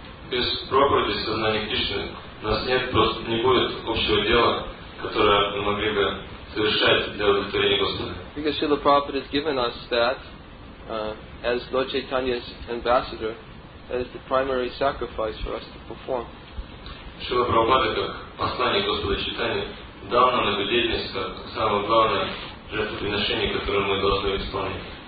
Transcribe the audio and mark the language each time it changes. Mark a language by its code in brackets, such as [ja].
[ru] Без проповеди сознания Кришны у нас нет, просто не будет общего дела, которое мы могли бы совершать для удовлетворения Господа. [en] Because Srila Prabhupada has given us that as Lord Chaitanya's ambassador, that is the primary sacrifice for us to perform. [ru] Srila Prabhupada, как послание Господа Чайтанья, дал нам обязательность, как самое главное жертвоприношение, которое мы должны исполнить.